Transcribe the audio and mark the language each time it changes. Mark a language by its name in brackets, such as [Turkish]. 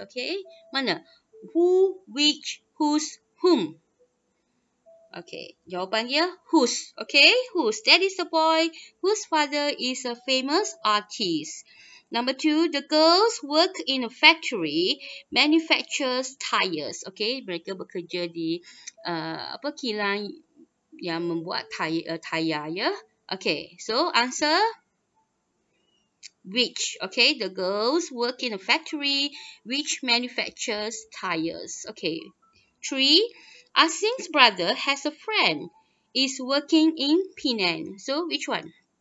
[English] Okay, mana? Who, which, whose, whom? Okay, [Malay] jawapan dia [English] whose. Okay, whose. That is the boy, whose father is a famous artist. Number two, the girls work in a factory, manufactures tyres. [Malay] Okay, mereka bekerja di kilang yang membuat tayar ya. [English] Okay, so answer, which. Okay, the girls work in a factory, which manufactures tyres. Okay, three, Asin's brother has a friend, is working in Penang. So, which one?